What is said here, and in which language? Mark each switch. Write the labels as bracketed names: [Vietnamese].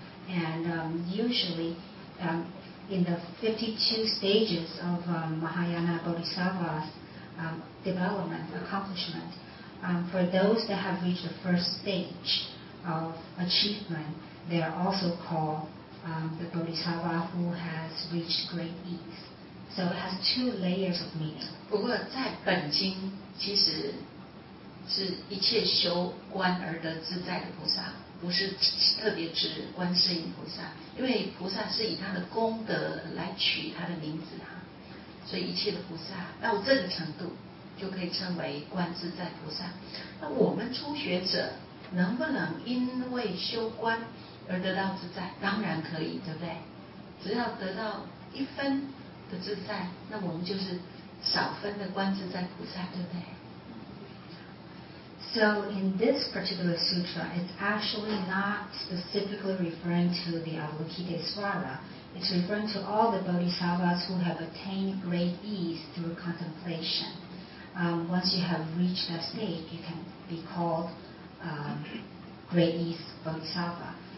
[English] And usually, in the 52 stages of Mahayana Bodhisattva's development, accomplishment, for those that have reached the first stage of achievement, they are also called the Bodhisattva who has reached great ease. So it has two layers of meaning. [Chinese] 不过在本经其实是一切修观而得自在的菩萨，不是特别指观世音菩萨，因为菩萨是以他的功德来取他的名字啊，所以一切的菩萨到这个程度就可以称为观自在菩萨。那我们初学者能不能因为修观而得到自在？当然可以，对不对？只要得到一分的自在，那我们就是少分的观自在菩萨，对不对？ [English] So in this particular sutra, it's actually not specifically referring to the Avalokiteshvara. It's referring to all the bodhisattvas who have attained great ease through contemplation. Once you have reached that state, you can be called great ease bodhisattva.